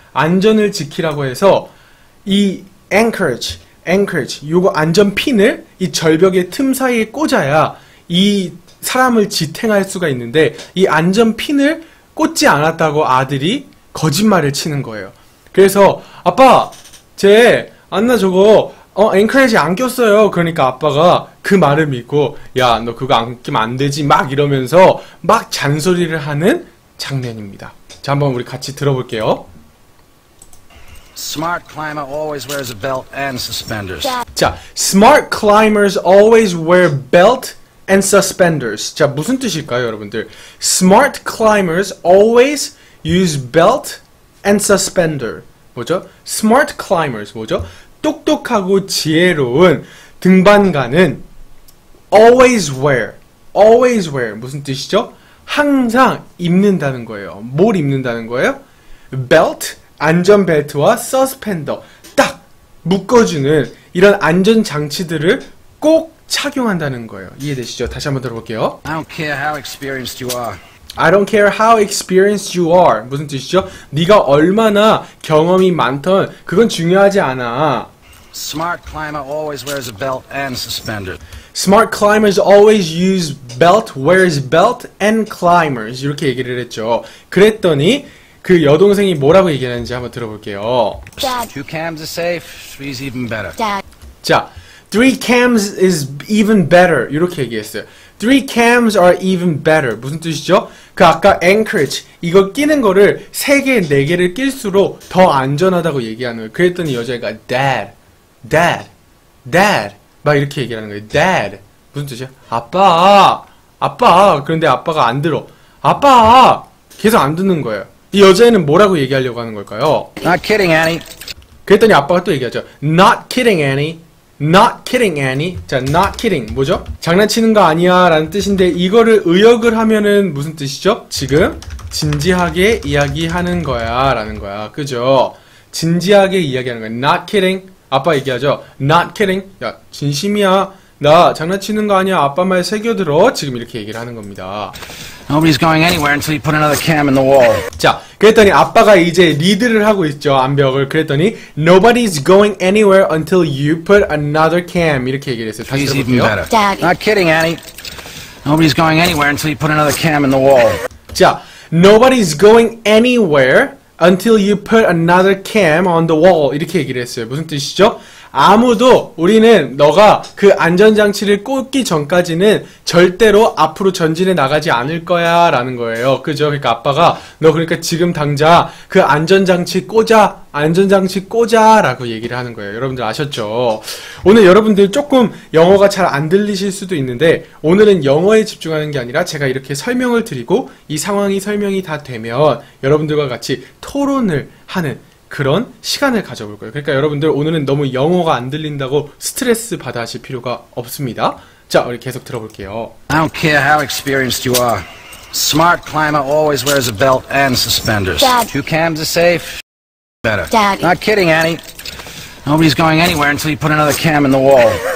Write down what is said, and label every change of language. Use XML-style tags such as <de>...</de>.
<ko>안전을 지키라고 해서 이 anchorage, 요거 안전 핀을 이 절벽의 틈 사이에 꽂아야 이 사람을 지탱할 수가 있는데, 이 안전 핀을 꽂지 않았다고 아들이 거짓말을 치는 거예요. 그래서 아빠, 쟤 안나 저거 앵커리지 안 꼈어요. 그러니까 아빠가 그 말을 믿고, 야, 너 그거 안 끼면 안 되지. 막 이러면서 막 잔소리를 하는 장면입니다. 자, 한번 우리 같이 들어볼게요.</ko> <en>Smart climber always wears a belt and suspenders.</en> <ko>자,</ko> <en>smart climbers always wear belt and suspenders.</en> <ko>자, 무슨 뜻일까요, 여러분들?</ko> <en>Smart climbers always use belt and suspender.</en> <ko>뭐죠?</ko> <en>Smart climbers,</en> <ko>뭐죠? 똑똑하고 지혜로운 등반가는</ko> <en>always wear</en> <ko>무슨 뜻이죠? 항상 입는다는 거예요. 뭘 입는다는 거예요? belt, 안전벨트와 서스펜더 딱 묶어주는 이런 안전장치들을 꼭 착용한다는 거예요. 이해되시죠? 다시 한번 들어볼게요.</ko> <en>I don't care how experienced you are. I don't care how experienced you are.</en> <ko>무슨 뜻이죠? 네가 얼마나 경험이 많던 그건 중요하지 않아.</ko> <en>Smart climber always wears a belt and suspenders. Smart climbers always use belt, wears belt and climbers.</en> <ko>이렇게 얘기를 했죠. 그랬더니 그 여동생이 뭐라고 얘기하는지 한번 들어볼게요.</ko> <en>Dad. Two cams are safe. Three's even better. Dad.</en> <ko>자,</ko> <en>three cams is even better.</en> <ko>이렇게 얘기했어요.</ko> <en>Three cams are even better.</en> <ko>무슨 뜻이죠? 그 아까 anchorage 이거 끼는 거를 세 개, 네 개를 낄수록 더 안전하다고 얘기하는 거예요. 그랬더니 여자애가 dad. 막 이렇게 얘기하는 거예요. Dad. 무슨 뜻이야? 아빠. 아빠. 그런데 아빠가 안 들어. 아빠. 계속 안 듣는 거예요. 이 여자애는 뭐라고 얘기하려고 하는 걸까요?</ko> <en>Not kidding, Annie.</en> <ko>그랬더니 아빠가 또 얘기하죠.</ko> <en>Not kidding, Annie. Not kidding, Annie.</en> <ko>자,</ko> <en>not kidding.</en> <ko>뭐죠? 장난치는 거 아니야. 라는 뜻인데, 이거를 의역을 하면은 무슨 뜻이죠? 지금 진지하게 이야기하는 거야. 라는 거야. 그죠? 진지하게 이야기하는 거야.</ko> <en>Not kidding.</en> <ko>아빠 얘기하죠. Not kidding. 야, 진심이야. 나 장난치는 거 아니야. 아빠 말 새겨들어. 지금 이렇게 얘기를 하는 겁니다.</ko> <en>Nobody's going anywhere until you put another cam in the wall.</en> <ko>자, 그랬더니 아빠가 이제 리드를 하고 있죠. 암벽을. 그랬더니</ko> <en>Nobody's going anywhere until you put another cam.</en> <ko>이렇게 얘기를 했어요. 다시</ko> <en>He's even</en> <ko>들어볼게요.</ko> <en>better. Dad. Not kidding, Annie. Nobody's going anywhere until you put another cam in the wall.</en> <ko>자,</ko> <en>Nobody's going anywhere until you put another cam on the wall.</en> <ko>이렇게 얘기를 했어요. 무슨 뜻이죠? 아무도 우리는 너가 그 안전장치를 꽂기 전까지는 절대로 앞으로 전진해 나가지 않을 거야. 라는 거예요. 그죠? 그러니까 아빠가 너 그러니까 지금 당장 그 안전장치 꽂아. 안전장치 꽂아. 라고 얘기를 하는 거예요. 여러분들 아셨죠? 오늘 여러분들 조금 영어가 잘안 들리실 수도 있는데 오늘은 영어에 집중하는 게 아니라 제가 이렇게 설명을 드리고 이 상황이 설명이 다 되면 여러분들과 같이 토론을 하는 그런 시간을 가져볼 거예요. 그러니까 여러분들 오늘은 너무 영어가 안 들린다고 스트레스 받아 하실 필요가 없습니다. 자, 우리 계속 들어볼게요.</ko> <en>I don't care how experienced you are. Smart climber always wears a belt and suspenders. Dad. Two cams are safe. Better. Dad. Not kidding, Annie. Nobody's going anywhere until you put another cam in the wall.</en>